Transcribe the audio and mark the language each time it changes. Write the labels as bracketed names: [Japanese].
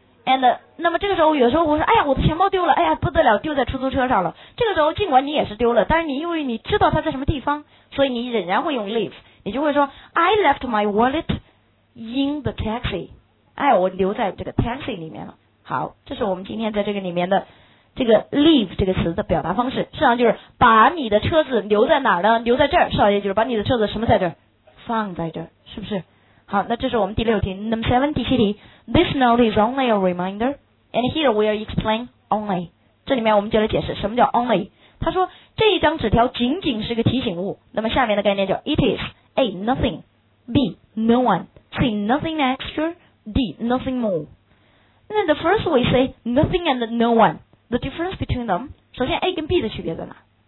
[Chinese] and 那么这个时候有时候我说哎呀我的钱包丢了，哎呀不得了，丢在出租车上了。这个时候尽管你也是丢了，但是你因为你知道它在什么地方，所以你仍然会用 leave， 你就会说 [English] I left my wallet in the taxi， [Chinese] 哎我留在这个 taxi 里面了。好，这是我们今天在这个里面的这个 leave 这个词的表达方式，实际上就是把你的车子留在哪儿呢？留在这儿，少爷，就是把你的车子什么在这儿？放在这儿，是不是？好，那这是我们第六题。 [English] Number seven， [Chinese] 第七题。 [English] This note is only a reminder, and here we are explain only。 [Chinese] 这里面我们就来解释什么叫 only。他说这一张纸条仅仅是个提醒物。那么下面的概念叫 [English] it is a nothing, b no one, c nothing extra, d nothing more。那 the first we say nothing and no one。The difference between them， [Chinese] 首先 A 跟 B 的区别在哪？